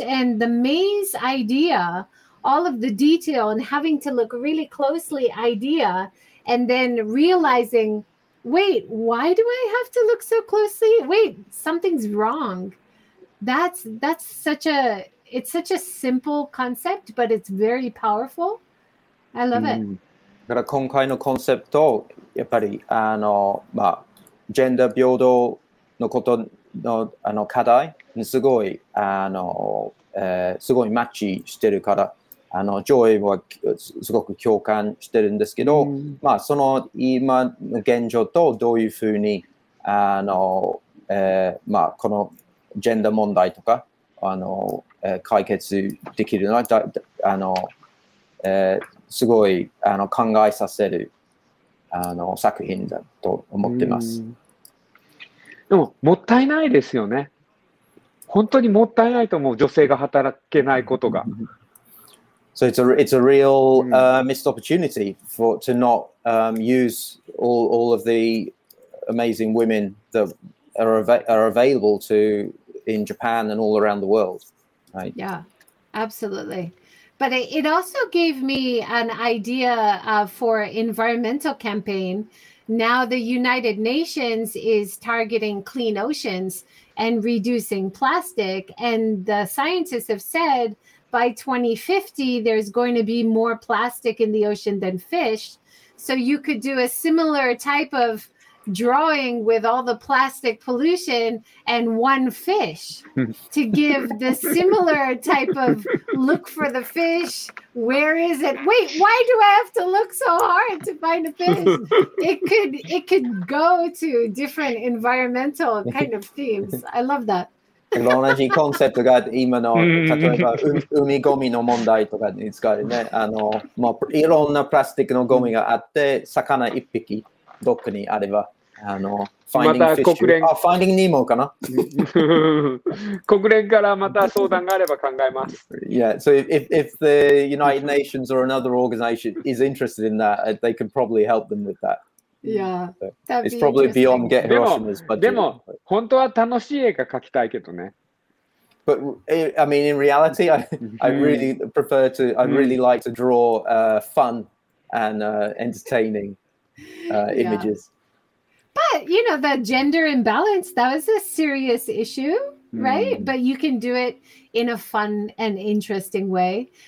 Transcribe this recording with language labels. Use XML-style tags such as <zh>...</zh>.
<en>And the maze idea, all of the detail and having to look really closely idea, and then realizing, wait, why do I have to look so closely? Wait, something's wrong. That's such a simple concept, but it's very powerful. I love it.</en> <ja>だから今回のコンセプト、やっぱりジェンダー平等のことの課題にすごいすごいマッチしてるから。ジョイはすごく共感してるんですけど、その今の現状とどういうふうにこのジェンダー問題とか解決できるのはすごい考えさせる作品だと思ってます。でももったいないですよね。本当にもったいないと思う、女性が働けないことが。</ja> <en>So it's a real missed opportunity to not use all of the amazing women that are available to in Japan and all around the world, right? Yeah, absolutely. But it also gave me an idea for environmental campaign. Now the United Nations is targeting clean oceans and reducing plastic, and the scientists have said by 2050, there's going to be more plastic in the ocean than fish. So you could do a similar type of drawing with all the plastic pollution and one fish to give the similar type of look for the fish. Where is it? Wait, why do I have to look so hard to find a fish? It could go to different environmental kind of themes. I love that.</en> <ja>同じコンセプトが今の例えば海ゴミの問題とかに使われて、いろんなプラスチックのゴミがあって、魚一匹どっかにあれば、ファインディングニモかな。国連からまた相談があれば考えます。</ja> <en>Yeah, so if the United Nations or another organization is interested in that, they can probably help them with that. Yeah, it's probably beyond Get Hiroshima's budget.</en> <ja>でも本当は楽しい絵が描きたいけどね。</ja> <en>But I mean, in reality, I really prefer to. I really like to draw fun and entertaining images. But you know, the gender imbalance, that was a serious issue, right? But you can do it in a fun and interesting way.</en>